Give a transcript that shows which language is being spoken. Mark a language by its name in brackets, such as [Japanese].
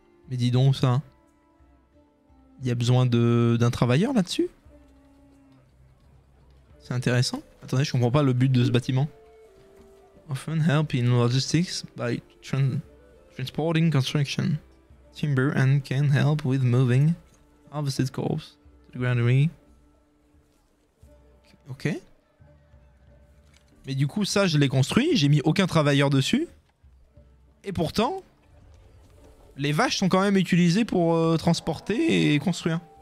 [French] Mais dis donc, ça. Il y a besoin d'un travailleur là-dessus? C'est intéressant. Attendez, je comprends pas le but de ce bâtiment. [English] Often help in logistics by transporting construction. Timber and can help with moving harvested crops to the granary. [French] Ok. Mais du coup, ça, je l'ai construit. J'ai mis aucun travailleur dessus. Et pourtant, les vaches sont quand même utilisées pour transporter et construire.